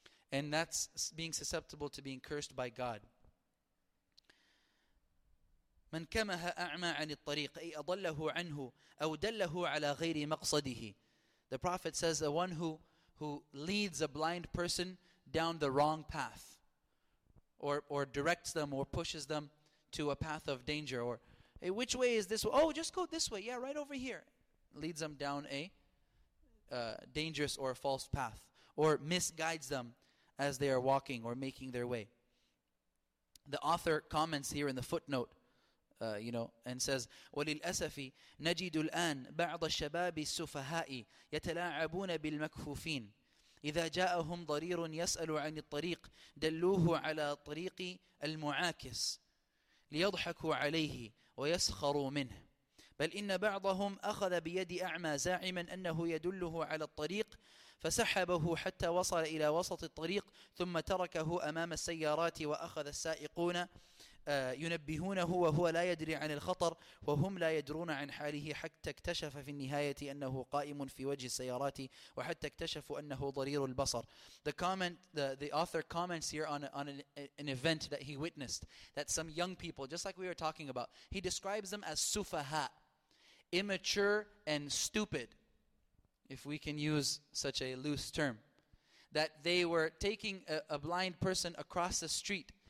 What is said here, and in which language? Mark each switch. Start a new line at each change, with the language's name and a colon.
English: And that's being susceptible to being cursed by God.
Arabic: مَنْ كَمَهَ أَعْمَى عَنِ الطَّرِيقِ أَيْ أَضَلَّهُ عَنْهُ أَوْ دَلَّهُ عَلَى غَيْرِ مَقْصَدِهِ.
English: The Prophet says, the one who leads a blind person down the wrong path, or directs them or pushes them to a path of danger, or, hey, which way is this? Oh, just go this way. Yeah, right over here. Leads them down a dangerous or a false path, or misguides them as they are walking or making their way. The author comments here in the footnote, you know, and says,
Arabic: وَلِلْأَسَفِ نَجِدُ الْآنَ بَعْضَ الشَّبَابِ السُّفَهَاءِ يَتَلَاعَبُونَ بِالْمَكْفُوفِينَ إِذَا جَاءَهُمْ ضَرِيرٌ يَسْأَلُ عَنِ الطَّرِيقِ دَلُّوهُ عَلَى طَرِيقِ الْمُعَاكِسِ لِيَضْحَكُوا عَلَيْهِ وَيَسْخَرُوا مِنْهِ بَلْ إِنَّ بَعْضَهُمْ أَخَذَ بِيَدِ أَعْمَى زَاعِمًا أَنَّهُ يَدُلُّهُ عَلَى الطَّرِيقِ فَسَحَبَهُ حَتَّى وَصَلَ إِلَى وَسَطِ الطَّرِيقِ ثُمَّ تَرَكَهُ أَمَامَ السَّيَّارَاتِ وَأَخَذَ السَّائِقُونَ يُنَبِّهُونَهُ وَهُوَ لَا يَدْرِي عَنِ الْخَطَرِ وَهُمْ لَا يَدْرُونَ عَنْ حَالِهِ حَتَّى اكْتَشَفَ فِي النِّهَايَةِ أَنَّهُ قَائِمٌ فِي وَجْهِ السَّيَّارَاتِ وَحَتَّى اكْتَشَفُوا أَنَّهُ ضَرِيرُ الْبَصَرِ.
English: The author comments here on an event that he witnessed, that some young people, just like we were talking about, he describes them as sufaha, immature and stupid, if we can use such a loose term, that they were taking a blind person across the street.